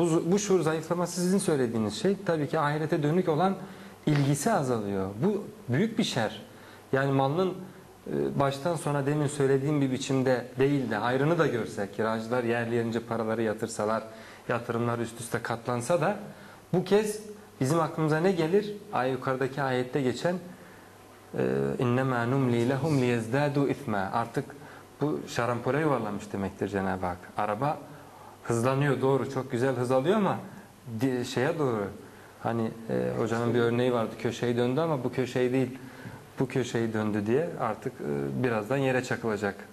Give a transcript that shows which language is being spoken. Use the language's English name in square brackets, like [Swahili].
[Turkish] Bu şuur zayıflaması sizin söylediğiniz şey, tabii ki ahirete dönük olan ilgisi azalıyor. Bu büyük bir şer. Yani malın baştan sona demin söylediğim bir biçimde değil de hayrını da görsek, kiracılar yerli yerince paraları yatırsalar, yatırımlar üst üste katlansa da bu kez bizim aklımıza ne gelir? Ay yukarıdaki ayette geçen [Arabic] اِنَّمَا نُمْلِي لَهُمْ لِيَزْدَادُوا اِثْمًا. [Turkish] Artık bu şarampole yuvarlamış demektir Cenab-ı Hak. Araba hızlanıyor, doğru, çok güzel hız alıyor ama şeye doğru, hani hocanın bir örneği vardı, köşeyi döndü ama bu köşeyi değil, bu köşeyi döndü diye artık birazdan yere çakılacak.